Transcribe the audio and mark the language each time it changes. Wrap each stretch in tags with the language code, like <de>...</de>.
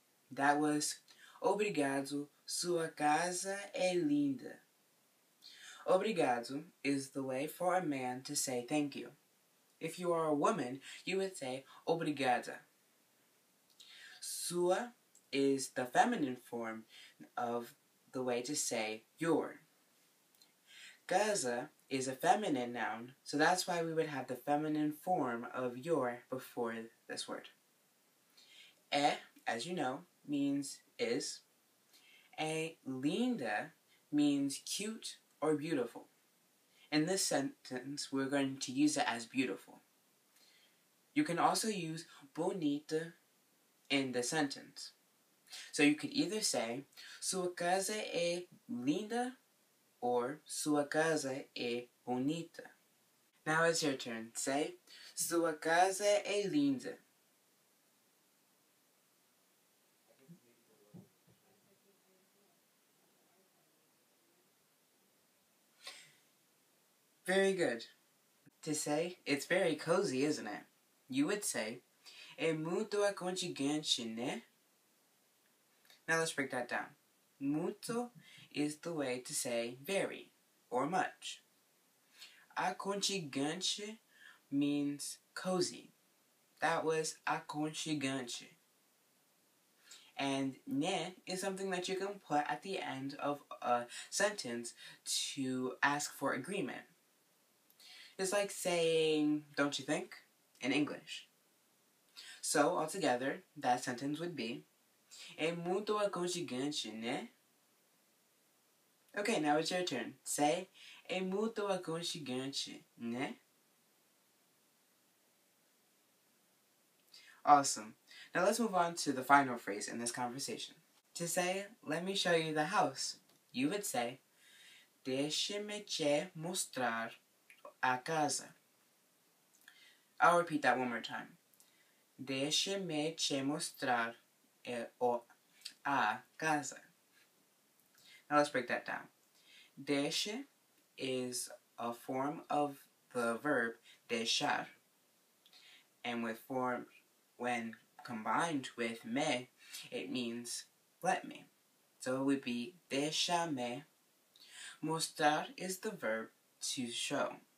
<en>That was</en> <pt>obrigado, sua casa é linda.</pt> <en>Obrigado is the way for a man to say thank you. If you are a woman, you would say obrigada. Sua is the feminine form of the way to say your. Casa is a feminine noun, so that's why we would have the feminine form of your before this word. É, as you know, means is.</en> <pt>É linda</pt> <en>means cute or beautiful. In this sentence, we're going to use it as beautiful. You can also use bonita in the sentence. So you could either say,</en> <pt>sua casa é linda,</pt> <en>or</en> <pt>sua casa é bonita.</pt> <en>Now it's your turn. Say,</en> <pt>sua casa é linda.</pt> <en>Very good. To say, it's very cozy, isn't it? You would say,</en> <pt>é muito aconchegante, né?</pt> <en>Now let's break that down. Muito is the way to say very or much. Aconchegante means cozy. That was aconchegante. And né is something that you can put at the end of a sentence to ask for agreement. It's like saying, don't you think, in English. So, altogether, that sentence would be,</en> <pt>é muito aconchegante, né?</pt> <en>Okay, now it's your turn. Say,</en> <pt>é muito aconchegante, né?</pt> <en>Awesome. Now let's move on to the final phrase in this conversation. To say, let me show you the house, you would say,</en> <pt>deixe-me te mostrar a casa.</pt> <en>I'll repeat that one more time.</en> <pt>Deixe-me te mostrar a casa.</pt> <en>Now let's break that down. Deixe is a form of the verb deixar. And with form, when combined with me, it means let me. So it would be deixa-me. Mostrar is the verb to show.</en>